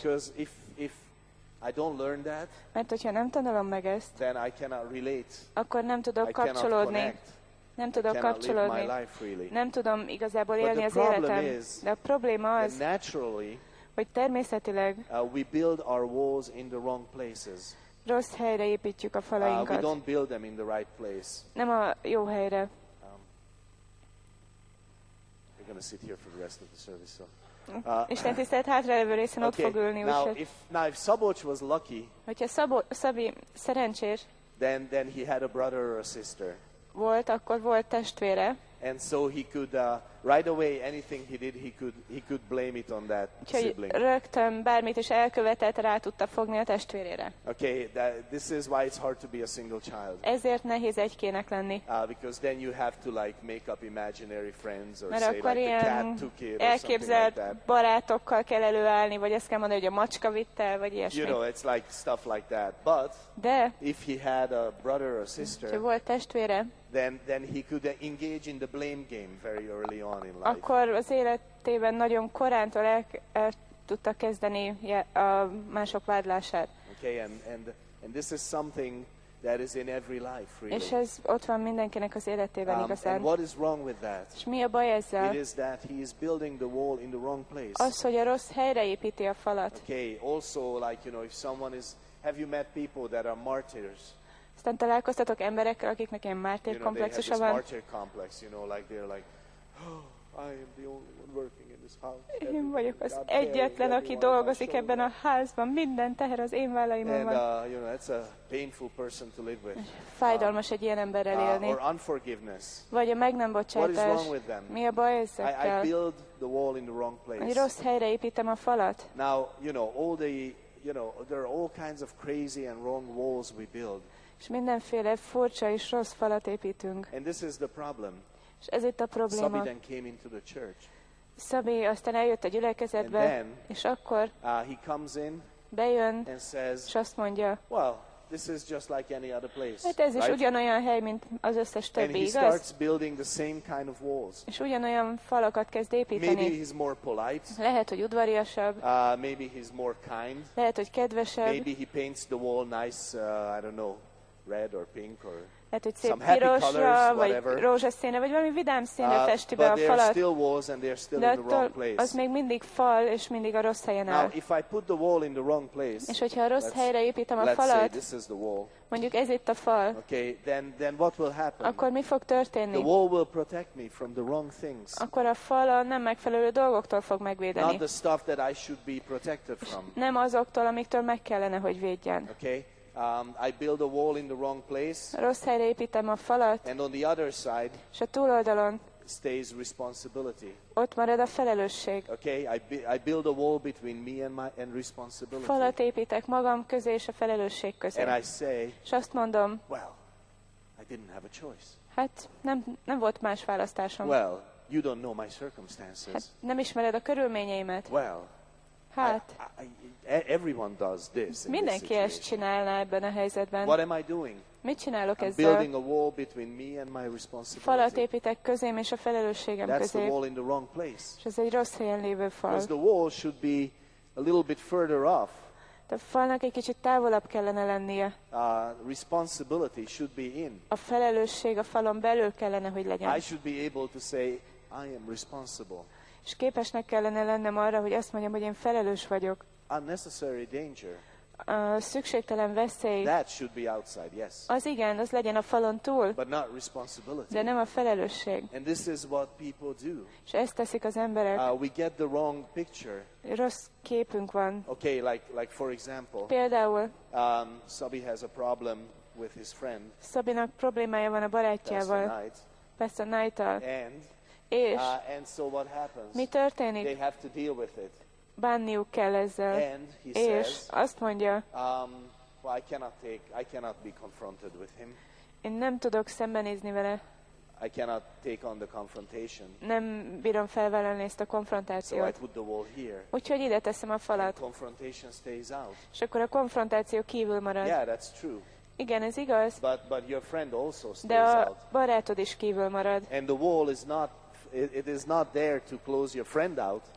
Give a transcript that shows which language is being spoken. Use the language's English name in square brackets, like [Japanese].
[English] Because if I don't learn that, [Hungarian] mert hogyha nem tanulom meg ezt, [English] then I cannot relate. [Hungarian] Akkor nem tudok kapcsolódni. Nem tudok kapcsolódni. [English] Really. [Hungarian] Nem tudom igazából élni az életem. De a probléma az, hogy természetileg [English] we build our walls in the wrong places. [Hungarian] Rossz helyre építjük a falainkat. [English] We don't build them in the right place. [Hungarian] Nem a jó helyre. [English] Going to sit here for the rest of the service. [Hungarian] Isten tisztelt hátralévő részen ott fog ülni. [English] Now if Szabolcs was lucky, [Hungarian] hogyha Szabi szerencsés, [English] then he had a brother or a sister. [Hungarian] Volt, akkor volt testvére. [English] And so he could right away anything he did he could blame it on that sibling. [Hungarian] Rögtön bármit is elkövetett, rá tudta fogni a testvérére. [English] Okay, this is why it's hard to be a single child. [Hungarian] Ezért nehéz egykének lenni. [English] Because then you have to like make up imaginary friends or [Hungarian] mert [English] say [Hungarian] akkor [English] like [Hungarian] ilyen [English] the cat took it. [Hungarian] Elképzelt [English] or like that. [Hungarian] Barátokkal kell előállni, vagy ezt kell mondani, hogy a macska vitte, vagy ilyesmi. [English] You know, it's like stuff like that. But [Hungarian] de [English] if he had a brother or sister, [Hungarian] ha volt testvére, [English] then he could engage in the blame game very early on in life. [Hungarian] Akkor az életében nagyon korántól el tudta kezdeni a mások vádlását. [English] Okay, and this is something that is in every life, really. [Hungarian] És ez ott van mindenkinek az életében igazán. [English] And what is wrong with that? [Hungarian] És mi a baj ezzel? [English] It is that he is building the wall in the wrong place. [Hungarian] Az, hogy a rossz helyre építi a falat. [English] Okay, also like, you know, if someone is, have you met people that are martyrs? [Hungarian] Aztán találkoztatok emberekkel, akiknek ilyen mártér komplexusa van. [English] You know, they have this martyr complex, you know, like they're like, oh, I am the only one working in this house. [Hungarian] Én vagyok az egyetlen, aki dolgozik ebben a házban. Minden teher az én vállaimon van. [English] You know, that's a painful person to live with. [Hungarian] Fájdalmas egy ilyen emberrel élni. [English] Or unforgiveness. [Hungarian] Vagy a meg nem bocsátás. [English] What is wrong with them? [Hungarian] Mi a baj ezekkel? [English] I build the wall in the wrong place. [Hungarian] Egy rossz helyre építem a falat. [English] Now, you know, all the, you know, there are all kinds of crazy and wrong walls we build. [Hungarian] És mindenféle furcsa és rossz falat építünk. [English] And this is the problem. [Hungarian] És ez itt a probléma. [English] Szabi then came into the church. [Hungarian] Szabi aztán eljött a gyülekezetbe, [English] then, [Hungarian] és akkor [English] he comes in, [Hungarian] bejön, [English] and says, [Hungarian] és azt mondja, [English] well, this is just like any other place. [Hungarian] Hát ez is ugyanolyan hely, mint az összes többi, [English] and [Hungarian] igaz? [English] He starts building the same kind of walls. [Hungarian] És ugyanolyan falakat kezd építeni. [English] Maybe he's more polite. [Hungarian] Lehet, hogy udvariasabb. [English] Maybe he's more kind. [Hungarian] Lehet, hogy kedvesebb. [English] Maybe he paints the wall nice, I don't know, red or pink or [Hungarian] lehet, [English] some happy colors, whatever. [Hungarian] Rózsaszíne, vagy valami vidám színe festi be a falat. [English] Still walls and they're still in the wrong place. [Hungarian] Az még mindig fal, és mindig a rossz helyen áll. [English] Now, if I put the wall in the wrong place, [Hungarian] és hogyha a rossz helyre építem a [English] let's [Hungarian] falat, [English] say this is the wall, [Hungarian] mondjuk ez itt a fal, [English] okay, then what will happen? [Hungarian] Akkor mi fog történni? [English] The wall will protect me from the wrong things. [Hungarian] Akkor a fal a nem megfelelő dolgoktól fog megvédeni. [English] Not the stuff that I should be protected from. [Hungarian] Nem azoktól, amiktől meg kellene, hogy védjen. [English] Okay. I build a wall in the wrong place. [Hungarian] Rossz helyre építem a falat. [English] And on the other side, [Hungarian] s a túloldalon, [English] stays responsibility. [Hungarian] Ott marad a felelősség. [English] Okay, I build a wall between me and my and responsibility. [Hungarian] Falat építek magam közé és a felelősség közé. [English] And I say, [Hungarian] s azt mondom, [English] well, I didn't have a choice. [Hungarian] Hát nem volt más választásom. [English] Well, you don't know my circumstances. [Hungarian] Hát nem ismered a körülményeimet. [English] Well, [Hungarian] hát [English] everyone does this. [Hungarian] Mindenki ezt csinálná ebben a helyzetben. [English] What am I doing? [Hungarian] Mit csinálok ezzel? [English] Building a wall between me and my responsibility. [Hungarian] Falat építek közém és a felelősségem [English] That's [Hungarian] közé. [English] That's the wall in the wrong place. [Hungarian] És ez egy rossz helyen lévő fal. [English] Because the wall should be a little bit further off. [Hungarian] De falnak egy kicsit távolabb kellene lennie. [English] Responsibility should be in. [Hungarian] A felelősség a falon belül kellene, hogy legyen. [English] I should be able to say I am responsible. [Hungarian] És képesnek kellene lennem arra, hogy azt mondjam, hogy én felelős vagyok. [English] Unnecessary danger. [Hungarian] A szükségtelen veszély. [English] That should be outside, yes. [Hungarian] Az igen, az legyen a falon túl. [English] But not responsibility. [Hungarian] De nem a felelősség. [English] And this is what people do. [Hungarian] És ezt teszik az emberek. [English] We get the wrong picture. [Hungarian] Rossz képünk van. [English] Okay, like for example. [Hungarian] Például. [English] Sabi has a problem with his friend. [Hungarian] Sabinak problémája van a barátjával. Pastor Knight-tal. [English] And so what happens? [Hungarian] Mi történik? [English] They have to deal with it. [Hungarian] Bánniuk kell ezzel. [English] And he [Hungarian] és [English] says, [Hungarian] azt mondja, [English] well, I cannot be confronted with him. [Hungarian] Én nem tudok szembenézni vele. [English] I cannot take on the confrontation. [Hungarian] Nem bírom felvállalni ezt a konfrontációt. [English] So I put the wall here. [Hungarian] Úgyhogy ide teszem a falat. [English] And confrontation stays out. [Hungarian] És akkor a konfrontáció kívül marad. [English] Yeah, that's true. [Hungarian] Igen, ez igaz. [English] But your friend also stays out. [Hungarian] De a barátod is kívül marad. [English] And the wall is not, it is not there to close your friend out.